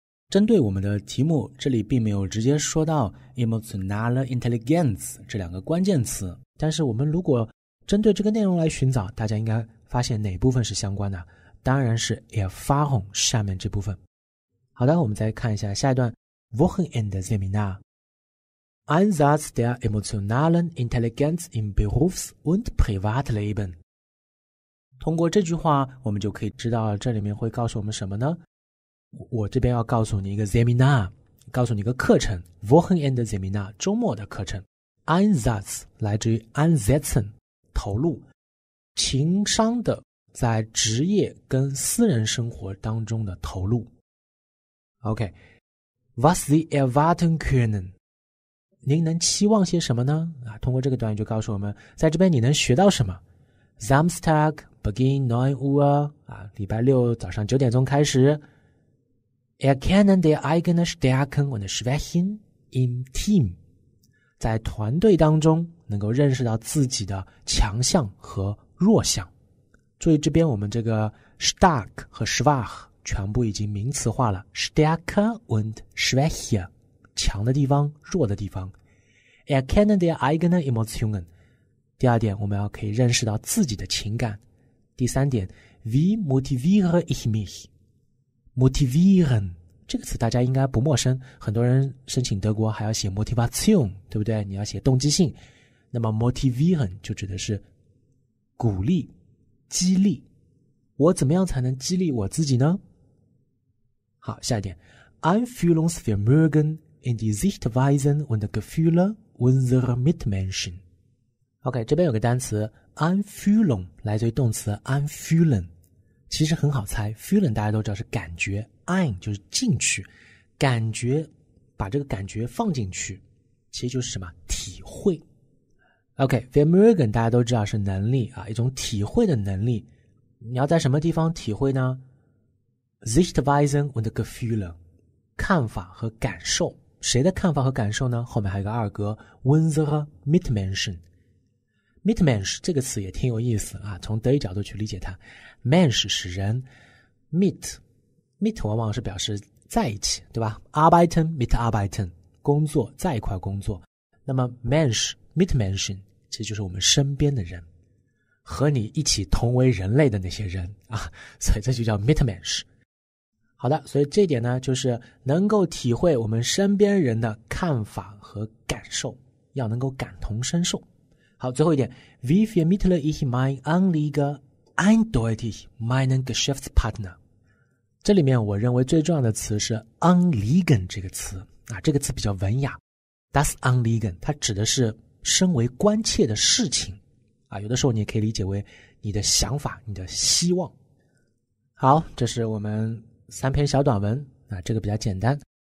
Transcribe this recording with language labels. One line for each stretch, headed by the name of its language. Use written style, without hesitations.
Chinese: 针对我们的题目，这里并没有直接说到 emotionale Intelligenz 这两个关键词，但是我们如果针对这个内容来寻找，大家应该发现哪部分是相关的，当然是 Erfahrung 下面这部分。好的，我们再看一下下一段 Wochenende Seminar
German: Einsatz der emotionalen Intelligenz im Berufs- und Privatleben。
Chinese: 通过这句话我们就可以知道这里面会告诉我们什么呢？我这边要告诉你一个 Seminar， 告诉你一个课程 Wochenende Seminar， 周末的课程。 Einsatz 来自于 Einsetzen， 投入，情商的在职业跟私人生活当中的投入。 OK，
German: Was Sie erwarten können，
Chinese: 您能期望些什么呢？啊，通过这个短语就告诉我们在这边你能学到什么。
German: Samstag begin 9 Uhr，
Chinese: 啊，礼拜六早上九点钟开始。
German: Erkennen die eigene Stärken und Schwächen im Team，
Chinese: 在团队当中能够认识到自己的强项和弱项。注意这边我们这个 Stark 和 Schwach全部已经名词化了，
German: Stärke und Schwäche，
Chinese: 强的地方，弱的地方。
German: Erkennen die eigene Emotionen，
Chinese: 第二点，我们要可以认识到自己的情感。第三点，
German: Wie motiviere ich mich，
Chinese: motivieren 这个词大家应该不陌生，很多人申请德国还要写 Motivation， 对不对？你要写动机性，那么 motivieren 就指的是鼓励激励。我怎么样才能激励我自己呢？好，下一点，
German: Einfühlungsvermögen in die Sichtweisen und Gefühle unserer Mitmenschen。
Chinese: OK， 这边有个单词 Einfühlung， 来自于动词 Einfühlen， 其实很好猜。 Fühlen 大家都知道是感觉， Ein 就是进去，感觉，把这个感觉放进去，其实就是什么，体会。 OK， Vermögen 大家都知道是能力啊，一种体会的能力。你要在什么地方体会呢？
German: Sichtweisen und Gefühle，
Chinese: 看法和感受。谁的看法和感受呢？后面还有个二格
German: unsere Mitmenschen。
Chinese: Mitmensch 这个词也挺有意思啊，从德语角度去理解它， Mensch 是人， Mit 往往是表示在一起，对吧？
German: Arbeiten mit Arbeiten，
Chinese: 工作，在一块工作。那么 Mensch Mitmenschen 其实就是我们身边的人，和你一起同为人类的那些人啊，所以这就叫 Mitmensch。好的，所以这点呢，就是能够体会我们身边人的看法和感受，要能够感同身受。好，最后一点，
German: Wie vermittle ich mein Anliegen eindeutig meinen Geschäftspartner？
Chinese: 这里面我认为最重要的词是 Anliegen 这个词啊，这个词比较文雅。 Das Anliegen 它指的是身为关切的事情啊，有的时候你也可以理解为你的想法、你的希望。好，这是我们三篇小短文，啊，这个比较简单。